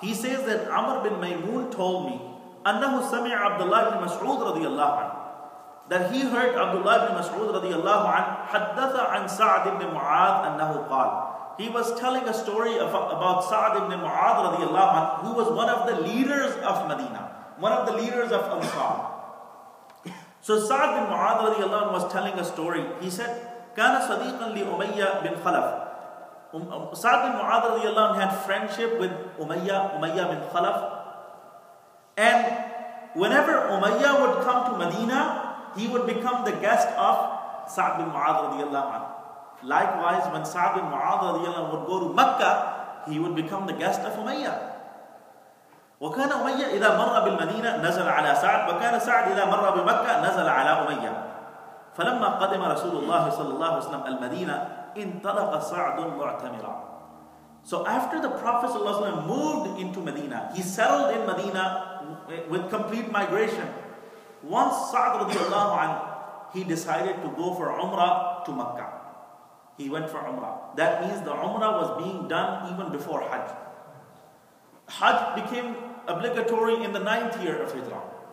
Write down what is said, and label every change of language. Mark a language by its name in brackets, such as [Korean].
[English] He says that Amr bin Maymun told me, [Arabic] "Annahu sami' [English] Abdullah bin Mas'ud radiyallahu an," that he heard Abdullah bin Mas'ud radiyallahu an [Arabic] haddatha an [English] Sa'd ibn Mu'ad [Arabic] annahu qal. [English] He was telling a story about Sa'd ibn Mu'ad radiyallahu an, who was one of the leaders of Medina, one of the leaders of Ansar. So Sa'd bin Mu'ad radiyallahu an was telling a story. He said, [Arabic] كان صديقا لأمية بن خلف. [English] سعد بن معاذ رضي الله عنه had friendship with Umayyah bin Khalaf. And whenever Umayyah would come to Medina, he would become the guest of سعد بن معاذ رضي الله عنه. Likewise, when سعد بن معاذ رضي الله عنه would go to Makkah, he would become the guest of Umayyah. [Arabic] وكان أمية إذا مر بالمدينة نزل على سعد وكان سعد إذا مر بمكة نزل على أمية. فلما قدم رسول الله صلى الله عليه وسلم المدينة انطلق سعد معتمرا. [English] So after the Prophet صلى الله عليه وسلم moved into Medina, he settled in Medina with complete migration. Once سعد رضي الله عنه, he decided to go for Umrah to Makkah. He went for Umrah. That means the Umrah was being done even before Hajj. Hajj became obligatory in the 9th year of Hijrah.